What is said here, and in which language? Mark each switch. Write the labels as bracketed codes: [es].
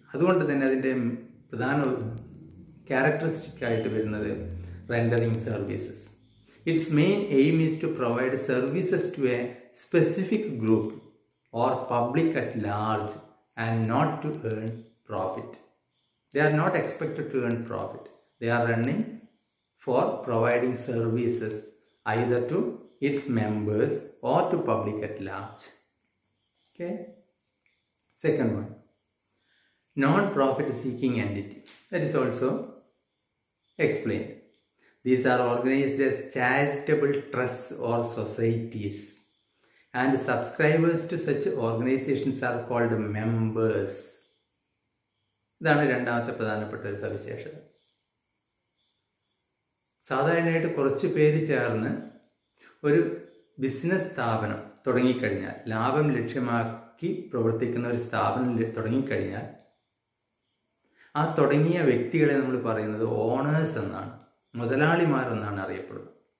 [ml] അതുകൊണ്ട് തന്നെ അതിൻ്റെ പ്രധാന ക്യാരക്ടറിസ്റ്റിക് ആയിട്ട് വരുന്നത് rendering services. [en] Its main aim is to provide services to a specific group or public at large and not to earn profit. They are not expected to earn profit. They are running for providing services either to its members or to public at large. Okay, second one, non-profit seeking entity, that is also explained. These are organized as charitable trusts or societies, and subscribers to such organizations are called members. [ml] ഇതാണ് രണ്ടാമത്തെ പ്രധാനപ്പെട്ട ഒരു സവിശേഷത. സാധാരണയായിട്ട് കുറച്ച് പേര് ചേർന്ന് ഒരു ബിസിനസ് സ്ഥാപനം തുടങ്ങിക്കഴിഞ്ഞാൽ, ലാഭം ലക്ഷ്യമാക്കി പ്രവർത്തിക്കുന്ന ഒരു സ്ഥാപനം തുടങ്ങിക്കഴിഞ്ഞാൽ ആ തുടങ്ങിയ വ്യക്തികളെ നമ്മൾ പറയുന്നത് ഓണേഴ്സ് എന്നാണ്, മുതലാളിമാർ എന്നാണ് അറിയപ്പെടുന്നത്.